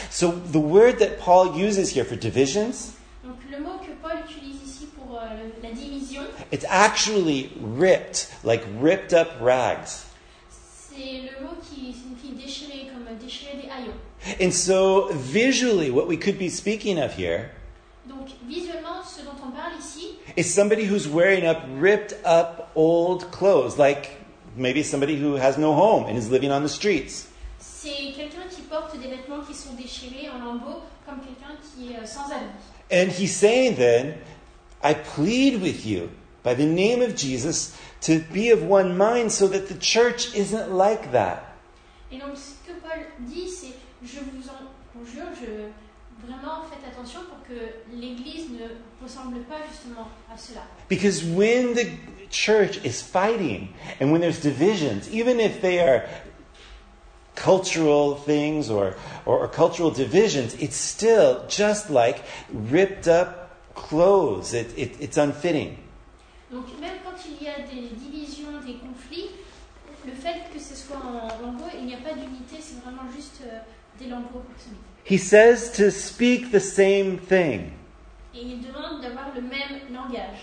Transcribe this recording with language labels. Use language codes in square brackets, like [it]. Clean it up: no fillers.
[en] So the word that Paul uses here for divisions. [fr] Donc le mot que Paul utilise ici pour la division. [en] It's actually ripped, like ripped up rags. [fr] C'est le mot qui signifie déchirer, comme déchirer des haillons. [en] And so, visually, what we could be speaking of here. [fr] Donc, visuellement, ce dont on parle ici. [en] Is somebody who's wearing up ripped up old clothes, like maybe somebody who has no home and is living on the streets. [fr] C'est quelqu'un qui porte des vêtements qui sont déchirés en lambeaux, comme quelqu'un qui est sans habit. [en] And he's saying then, I plead with you by the name of Jesus. To be of one mind so that the church isn't like that. [fr] Et donc ce que Paul dit, c'est je vous en conjure, je vraiment faites attention pour que l'église ne ressemble pas justement à cela. [en] Because when the church is fighting and when there's divisions, even if they are cultural things or cultural divisions, it's still just like ripped up clothes. It's unfitting. [fr] Donc même quand il y a des divisions, des conflits, le fait que ce soit en lambeaux, il n'y a pas d'unité, c'est vraiment juste des lambeaux pour semer. [en] He says to speak the same thing. [fr] Et il demande d'avoir le même langage.